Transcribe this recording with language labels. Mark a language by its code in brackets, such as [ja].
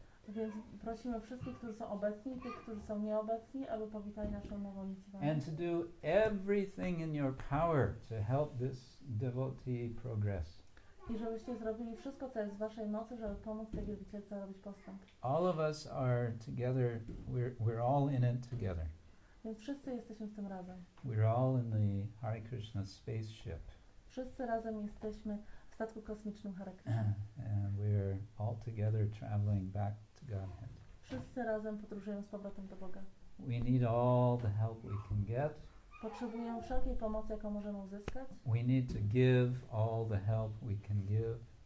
[pl] Więc prosimy wszystkich, którzy są obecni, tych, którzy są nieobecni, aby powitali naszą nową mitzwę. [en] And to do everything in your power to help this devotee progress. [pl] I żebyście zrobili wszystko, co jest w waszej mocy, żeby pomóc tej wielbicielce robić postęp. [en] All of us are together, we're all in it together. [pl] Więc wszyscy jesteśmy w tym razem. [en] We're all in the Hare Krishna spaceship. [pl] Wszyscy razem jesteśmy w statku kosmicznym Hare Krishna. [en] And we're all together traveling back to Godhead. [pl] Wszyscy razem podróżujemy z powrotem do Boga. [en] We need all the help we can get. [pl] Potrzebujemy wszelkiej pomocy, jaką możemy uzyskać. [en] We need to give all the help we can give.